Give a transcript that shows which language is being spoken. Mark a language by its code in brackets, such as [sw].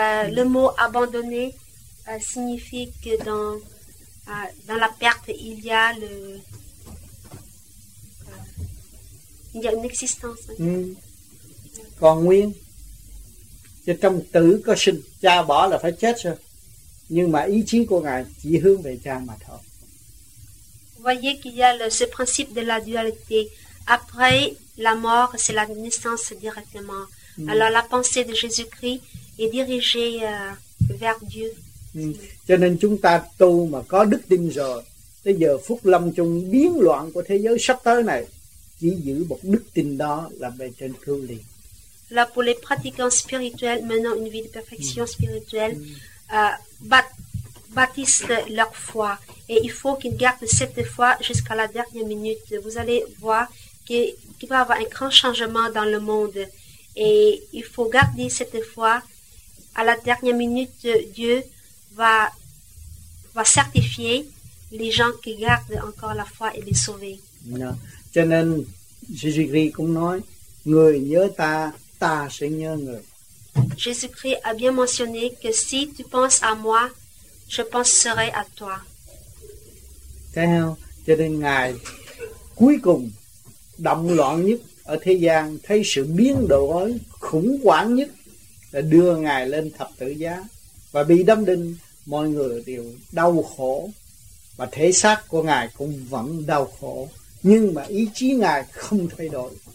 [fr] Le mot abandonner signifie que dans la perte il y a le il y a une existence. [vi] Còn nguyên. Chứ trong tử có sinh, cha bỏ là phải chết rồi. Nhưng mà ý chí của Ngài chỉ hướng về cha mà thôi. [fr] Voyez qu'il y a ce principe de la dualité. Après la mort, c'est la naissance directement. Alors la pensée de Jésus-Christ est dirigée vers Dieu. [vi] Cho nên chúng ta tu mà có đức tin rồi, tới giờ phút lâm chung biến loạn của thế giới sắp tới này, chỉ giữ một đức tin đó là bề trên cứu liền. [fr] Là pour les pratiquants spirituels menant une vie de perfection spirituelle bâtissent leur foi et il faut qu'ils gardent cette foi jusqu'à la dernière minute. Vous allez voir qu'il va y avoir un grand changement dans le monde et il faut garder cette foi. À la dernière minute, Dieu va certifier les gens qui gardent encore la foi et les sauver. [vi] Cho nên Jésus-Christ cũng nói người nhớ ta, ta sẽ nhớ người. [fr] Jésus-Christ a bien mentionné que si tu penses à moi, je penserai à toi. [vi] Thấy không? Cho nên Ngài cuối cùng động loạn nhất ở thế gian, thấy sự biến đổi khủng hoảng nhất là đưa Ngài lên thập tự giá và bị đâm đinh. Mọi người đều đau khổ và thể xác của Ngài cũng vẫn đau khổ, nhưng mà ý chí Ngài không thay đổi.